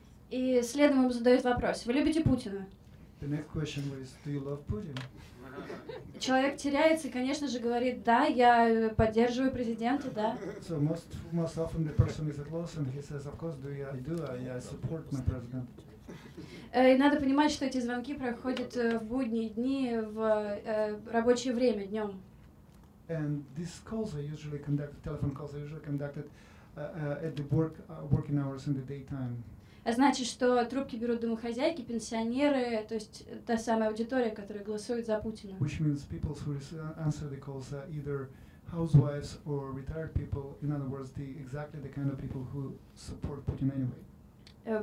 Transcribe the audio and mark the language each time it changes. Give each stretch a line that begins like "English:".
Russian: И следом ему задают вопрос: вы любите Путина?
English: The next question was, do you love Putin?
Russian: Человек теряется, конечно же, говорит: да, я поддерживаю президента, да.
English: So most often the person is at loss and he says, of course, I support my president.
Russian: И надо понимать, что эти звонки проходят в будние дни, в рабочее время, днем.
English: And these calls are usually conducted, telephone calls are usually conducted at the working hours in the daytime.
Russian: А значит, что трубки берут домохозяйки, пенсионеры, то есть та самая аудитория, которая голосует за Путина.
English: Which means people who answer the calls are either housewives or retired people. In other words, the kind of people who support Putin anyway.